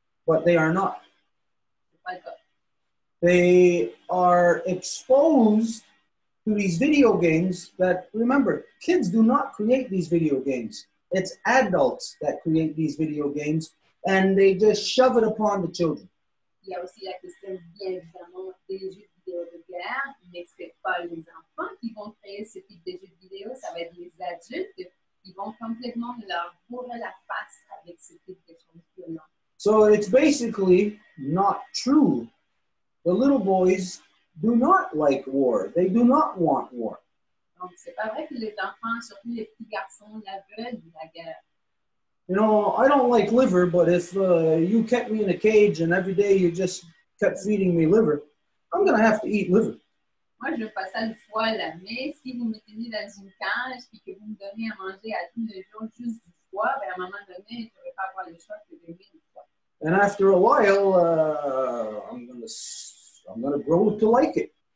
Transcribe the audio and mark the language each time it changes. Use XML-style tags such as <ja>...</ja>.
<en>But they are not. They are exposed to these video games that, remember, kids do not create these video games. It's adults that create these video games, and they just shove it upon the children.</en> <fr>Il y a aussi la question, bien évidemment, des jeux vidéo de guerre, mais c'est pas les enfants qui vont créer ce type de jeux vidéo, ça va être les adultes qui vont complètement leur bourrer la face avec ce type de jeux vidéo.</fr> <en>So it's basically not true. The little boys do not like war. They do not want war.</en> <fr>Donc, c'est pas vrai que les enfants, surtout les petits garçons, la veulent de la guerre.</fr> <en>You know, I don't like liver, but if you kept me in a cage and every day you just kept feeding me liver, I'm going to have to eat liver.</en> <fr>Moi, je veux pas ça le foie, là. Mais si vous me tenez dans une cage et que vous me donnez à manger à tous les jours juste du foie, ben à un moment donné, je ne vais pas avoir le choix que de vivre.</fr> <en>And after a while, I'm gonna grow to like it.</en>